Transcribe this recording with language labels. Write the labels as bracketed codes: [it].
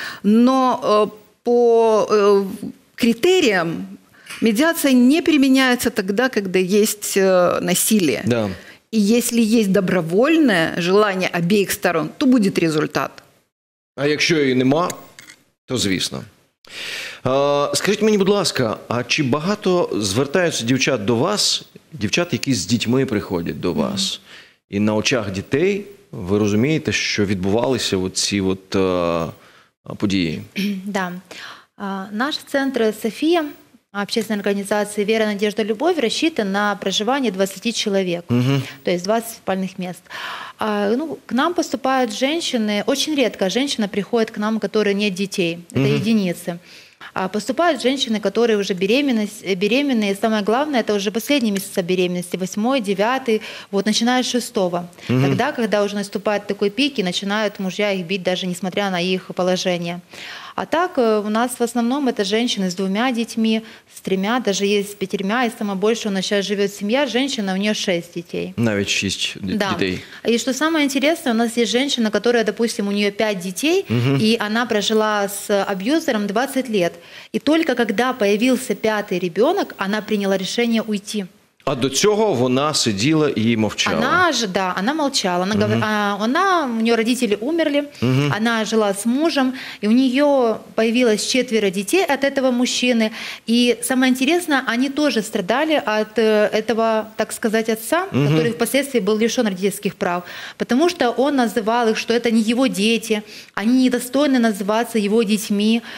[ru] Но по критериям медиация не применяется тогда, когда есть насилие. Да. И если есть добровольное желание обеих сторон, то будет результат. [uk] А якщо її нема, то звісно. Скажіть мені, будь ласка, а чи багато звертаються дівчат до вас, дівчат, які з дітьми приходять до вас, і на очах дітей ви розумієте, що відбувалися оці от події? [ru] Да. Наш центр «София», общественной организации «Вера, надежда, любовь» рассчитан на проживание 20 человек, то есть 20 спальных мест. Ну, к нам поступают женщины, очень редко женщина приходит к нам, у которой нет детей, это единицы. Поступают женщины, которые уже беременные, самое главное, это уже последние месяца беременности, 8-й, 9-й, вот, начиная с 6-го. Тогда, когда уже наступает такой пик, и начинают мужья их бить, даже несмотря на их положение. А так у нас в основном это женщины с двумя детьми, с тремя, даже есть с пятерьмя, и самое большее у нас сейчас живет семья, женщина, у нее 6 детей. Наверное, 6 детей. Да. И что самое интересное, у нас есть женщина, которая, допустим, у нее 5 детей, и она прожила с абьюзером 20 лет. И только когда появился 5-й ребенок, она приняла решение уйти. [uk] А до цього вона сиділа і мовчала. [ru] Она ж, да, она молчала. Она говорила, она, у неё родители умерли. Она жила с мужем, и у неё появилось 4 детей от этого мужчины. И самое интересное, они тоже страдали от этого, так сказать, отца, который впоследствии был лишён родительских прав, потому что он называл их, что это не его дети, они недостойны называться его детьми.